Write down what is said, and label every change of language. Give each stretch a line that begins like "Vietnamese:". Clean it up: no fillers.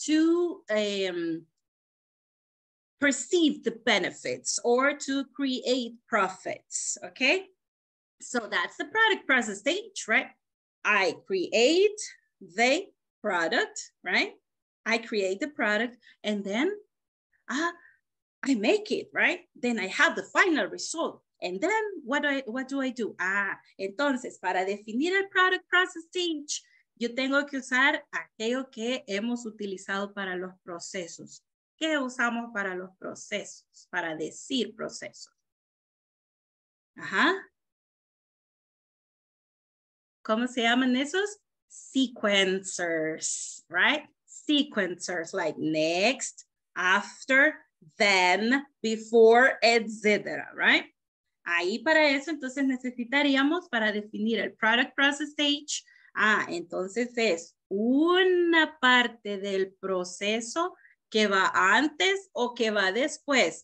English: To perceive the benefits or to create profits, okay? So that's the product process stage, right? I create the product, right? I create the product and then I make it, right? Then I have the final result. And then what do I do?
Spanish: Entonces, para definir el product process stage, yo tengo que usar aquello que hemos utilizado para los procesos. ¿Qué usamos para los procesos? Para decir procesos. Ajá. ¿Cómo se llaman esos?
English: Sequencers, right? Sequencers, like next, after, then, before, etc., right?
Spanish: Ahí para eso, entonces necesitaríamos para definir el product process stage. Ah, entonces es una parte del proceso que va antes o que va después.